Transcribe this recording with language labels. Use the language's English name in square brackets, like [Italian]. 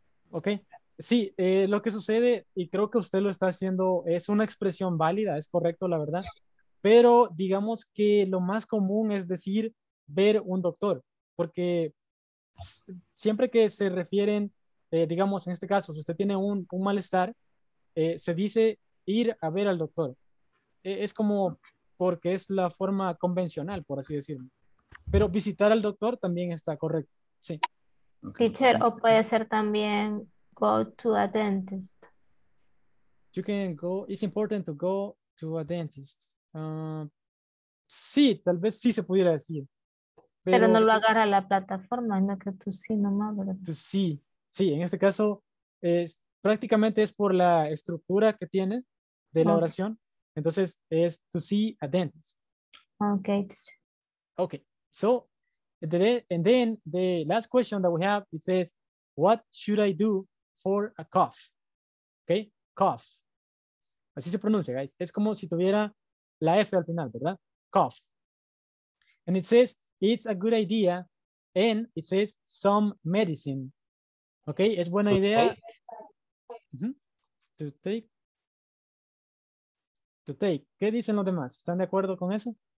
[Spanish] Ok, sí, lo que sucede, y creo que usted lo está haciendo, es una expresión válida, es correcto, la verdad, pero digamos que lo más común es decir ver un doctor, porque siempre que se refieren, digamos, en este caso, si usted tiene un malestar, se dice ir a ver al doctor. Es como porque es la forma convencional, por así decirlo. Pero visitar al doctor también está correcto, sí. Teacher, o puede ser también [English] go to a dentist. You can go, it's important to go to a dentist. [Spanish] Sí, tal vez sí se pudiera decir. Pero no lo agarra la plataforma, no que tú sí nomás, ¿verdad? Tú sí. Sí, en este caso es prácticamente es por la estructura que tiene de la oración. Entonces es [English] to see a dentist. Okay. Okay. So and then the last question that we have, it says, what should I do for a cough? [Spanish] Okay? Cough. Así se pronuncia, guys. Es como si tuviera la F al final, ¿verdad? [English] Cough. And it says it's a good idea and it says some medicine. [Spanish] Okay, es buena idea. [English] To take. [Spanish] ¿Qué dicen los demás? ¿Están de acuerdo con eso?